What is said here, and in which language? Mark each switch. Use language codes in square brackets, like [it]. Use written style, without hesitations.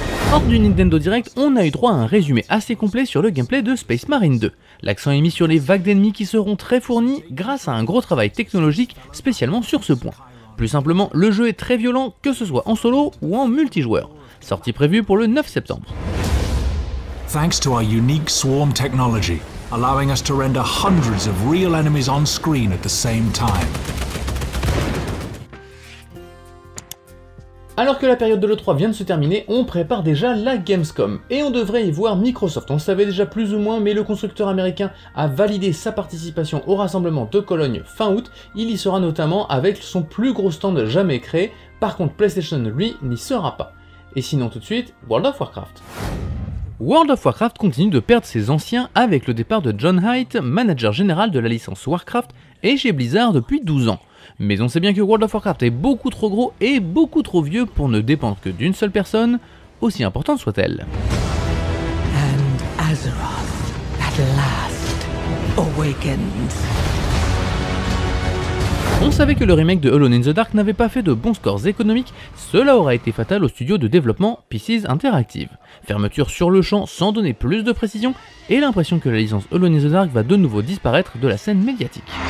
[fr] Hors du Nintendo Direct, on a eu droit à un résumé assez complet sur le gameplay de Space Marine 2. L'accent est mis sur les vagues d'ennemis qui seront très fournies grâce à un gros travail technologique spécialement sur ce point. Plus simplement, le jeu est très violent, que ce soit en solo ou en multijoueur. Sortie prévue pour le 9 septembre. [en] Thanks to our unique swarm technology, allowing us to render hundreds of real enemies on screen at the same time. [fr] Alors que la période de l'E3 vient de se terminer, on prépare déjà la Gamescom, et on devrait y voir Microsoft. On savait déjà plus ou moins, mais le constructeur américain a validé sa participation au rassemblement de Cologne fin août. Il y sera notamment avec son plus gros stand jamais créé. Par contre, PlayStation, lui, n'y sera pas. Et sinon tout de suite, World of Warcraft. World of Warcraft continue de perdre ses anciens avec le départ de John Haidt, manager général de la licence Warcraft, et chez Blizzard depuis 12 ans. Mais on sait bien que World of Warcraft est beaucoup trop gros et beaucoup trop vieux pour ne dépendre que d'une seule personne, aussi importante soit-elle. [en] And Azeroth, at last, awakens. [fr] On savait que le remake de Alone in the Dark n'avait pas fait de bons scores économiques, cela aura été fatal au studio de développement PCs Interactive. Fermeture sur le champ sans donner plus de précision, et l'impression que la licence Alone in the Dark va de nouveau disparaître de la scène médiatique.